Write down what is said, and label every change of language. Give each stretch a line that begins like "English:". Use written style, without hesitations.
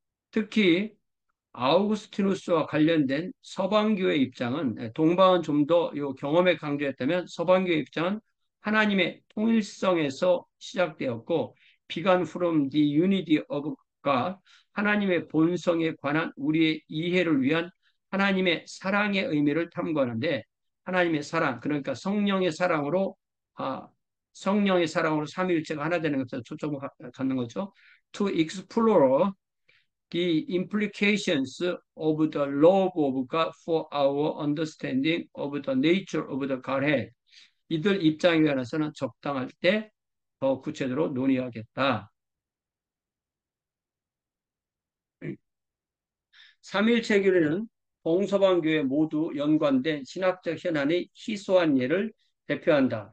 Korean: 특히 아우구스티누스와 관련된 서방교회 입장은, 동방은 좀더 경험에 강조했다면 서방교회 입장은 하나님의 통일성에서 시작되었고,
English: began from the unity of God,
Korean: 하나님의 본성에 관한 우리의 이해를 위한 하나님의 사랑의 의미를 탐구하는데, 하나님의 사랑, 그러니까 성령의 사랑으로 삼위일체가 하나 되는 것에 초점을 갖는 거죠.
English: To explore the implications of the love of God for our understanding of the nature of the Godhead.
Korean: 이들 입장에 관해서는 적당할 때더 구체적으로 논의하겠다. 삼위일체 교리는 동서방교회 모두 연관된 신학적 현안의 희소한 예를 대표한다.